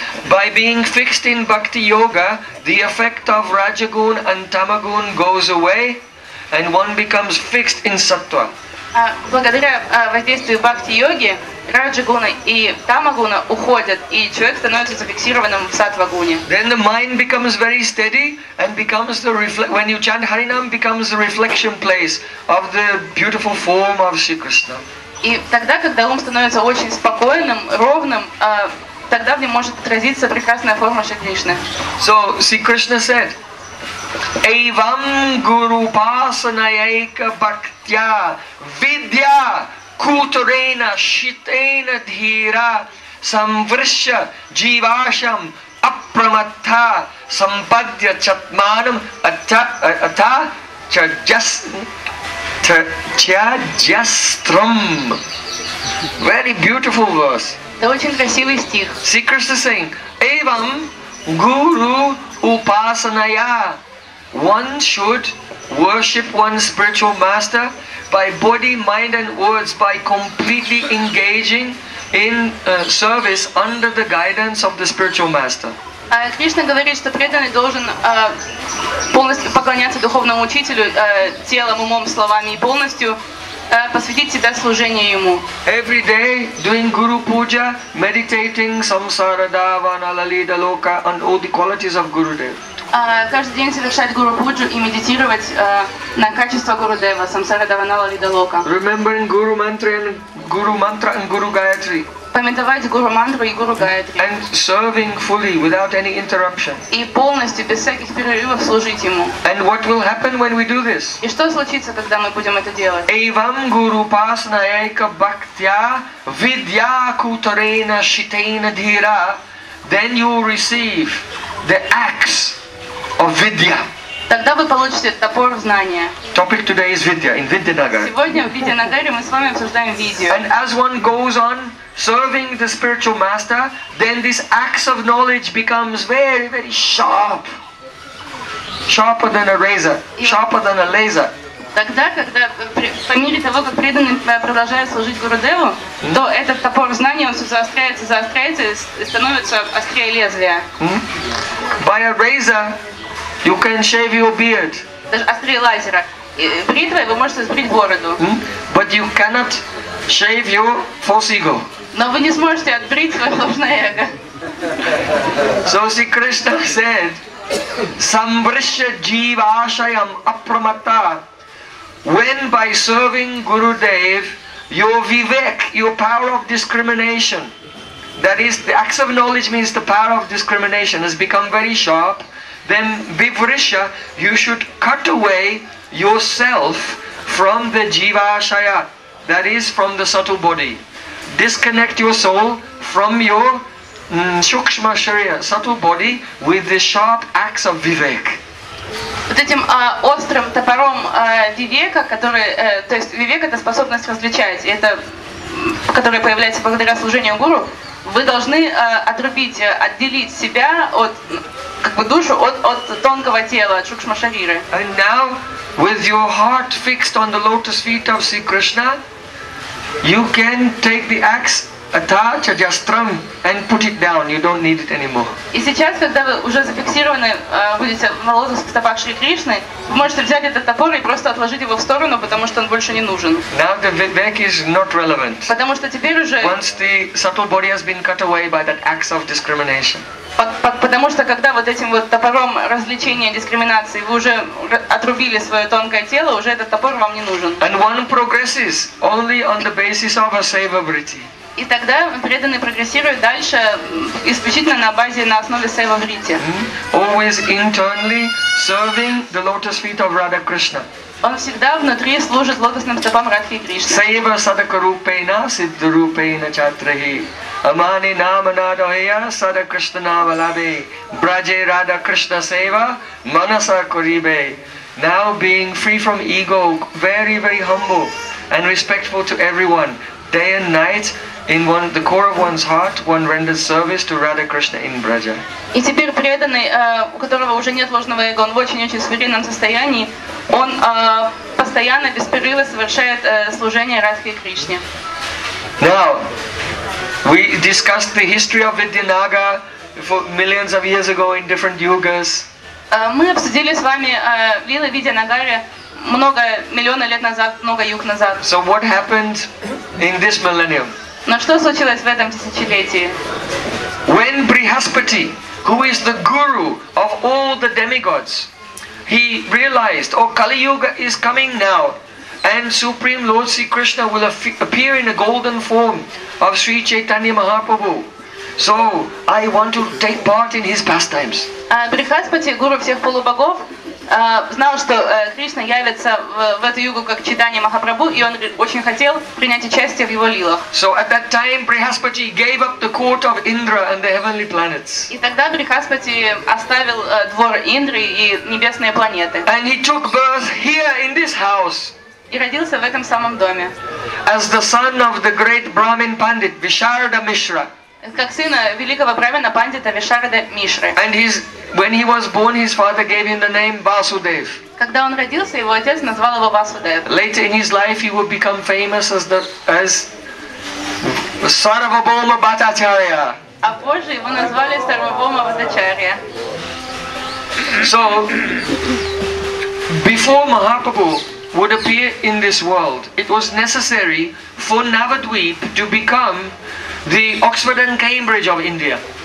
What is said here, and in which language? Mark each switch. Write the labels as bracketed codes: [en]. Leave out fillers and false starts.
[en] By being fixed in bhakti yoga, the effect of rajagun and tamagun goes away, and one becomes fixed in sattva. [ru] Благодаря воздействию бхакти-йоги, раджа-гуна и тама-гуна уходят, и человек становится зафиксированным в сатва-гуне. [en] Then the mind becomes very steady, and becomes the when you chant Харинам, becomes the reflection place of the beautiful form of Sri Krishna. [ru] И тогда, когда ум становится очень спокойным, ровным, тогда в нем может отразиться прекрасная форма Шри Кришны. [en] So, Sri Krishna said, [sa] Эйвам гуру пасанайка бхактя видья кутурена шитена дхира самвршя дживашам апраматта сампадья чатманам атта чаджастрам. [en] Very beautiful verse. [ru] Это очень красивый стих. [en] Sri Krishna saying, [sa] Эйвам гуру упасаная. [en] One should worship one's spiritual master by body, mind and words, by completely engaging in service under the guidance of the spiritual master. [ru] Кришна говорит, что преданный должен полностью поклоняться духовному учителю телом, умом, словами и полностью посвятить себя служению ему. [en] Every day doing guru puja, meditating [sa] samsara davana lalita loka [en] and all the qualities of Gurudev. [ru] Каждый день совершать гуру пуджу и медитировать на качество гуру дева [sa] самсара даванала лидалока. [en] Remembering guru mantra and guru mantra and guru gayatri. [ru] Памятовать гуру мантру и гуру гаятри. [en] And serving fully without any interruption. [ru] И полностью без всяких перерывов служить ему. [en] And what will happen when we do this? [ru] И что случится, когда мы будем это делать? [sa] Эйвам гуру пасна эйка бхактя видья кутарена шитена дхира. [en] Then you will receive the axe of vidya. [ru] Тогда вы получите топор знания. [en] Topic today is vidya in Vidyanagar. [ru] Сегодня в Vidyanagar мы с вами обсуждаем видео. [en] And as one goes on serving the spiritual master, then this axe of knowledge becomes very, very sharp. Sharper than a razor, sharper than a laser. [ru] Тогда, когда по мере того, как преданный продолжает служить Гурудеву, то этот топор знания он все заостряется, заостряется и становится острее лезвия. [en] By a razor, you can shave your beard. [ru] Даже острее лазера. Бритвой вы можете сбрить бороду. [en] But you cannot shave your false ego. [ru] Но вы не сможете отбрить свое ложное эго. [en] So Sri Krishna said, [sa] Samvrishya jiva ashayam apramatta. [en] When by serving Gurudev, your vivek, your power of discrimination, that is, the acts of knowledge means the power of discrimination, has become very sharp, then vivrishya, you should cut away yourself from the jiva ashaya, that is, from the subtle body. Disconnect your soul from your sukshma sharira, subtle body, with the sharp axe of vivek. [ru] вот этим острым топором Вивека, который, то есть Вивек это способность различать, это, которая появляется благодаря служению гуру, вы должны отрубить, отделить себя от, как бы душу от тонкого тела, от шукшмашарира. [en] And now, with your heart fixed on the lotus feet of Sri Krishna, you can take the axe, attach, adjustram, and put it down. You don't need it anymore. [ru] И сейчас, когда вы уже зафиксированы, будете на лотосных стопах Шри Кришны, вы можете взять этот топор и просто отложить его в сторону, потому что он больше не нужен. [en] Now the vivek is not relevant. [ru] Потому что теперь уже. [en] Once the subtle body has been cut away by that axe of discrimination. [ru] Потому что когда вот этим вот топором развлечения дискриминации вы уже отрубили свое тонкое тело, уже этот топор вам не нужен. [en] And one progresses only on the basis of a savability. [ru] И тогда преданный прогрессирует дальше исключительно на базе, на основе сейва вритти. [en] Always internally serving the lotus feet of Radha Krishna. [ru] Он всегда внутри служит лотосным стопам Радхи Кришны. [sa] Сейва садака рупейна сидду рупейна чатрахи амани наманадхая садакриштанавалабе браже Радха Кришна сейва манаса курибе. [en] Now being free from ego, very very humble and respectful to everyone, day and night, in one, the core of one's heart, one renders service to Radha Krishna in Braja. [ru] И теперь преданный, у которого уже нет ложного эго, он в очень-очень смиренном состоянии, он постоянно, без перерыва совершает служение Радхе Кришне. [en] Now, we discussed the history of Vidyanaga for millions of years ago in different yugas. [ru] Мы обсудили с вами лилы Видьянагары много миллионов лет назад, много юг назад. [en] So what happened in this millennium? [ru] Но что случилось в этом тысячелетии? [en] When Brihaspati, who is the guru of all the demigods, he realized, oh, Kali Yuga is coming now, and Supreme Lord Sri Krishna will appear in a golden form of Sri Chaitanya Mahaprabhu. So I want to take part in his pastimes. [ru] Брихаспати, гуру всех полубогов, знал, что Кришна явится в эту югу как Чайтанья Махапрабху, и он очень хотел принять участие в его лилах. [en] So at that time Brihaspati gave up the court of Indra and the heavenly planets. [ru] И тогда Брихаспати оставил двор Индры и небесные планеты. [en] And he took birth here in this house. [ru] И родился в этом самом доме. [en] As the son of the great Brahmin Pandit Visharada Mishra. [ru] Как сына великого брамина пандита Вишарада Мишры. [en] And his, when he was born, his father gave him the name Vasudev. [ru] Когда он родился, его отец назвал его Васудев. [en] Later in his life, he would become famous as the as Sarvabhauma Bhattacharya. [ru] А позже его назвали Sarvabhauma Bhattacharya. [en] So, before Mahaprabhu would appear in this world, it was necessary for Navadvip to become the Oxford and Cambridge of India.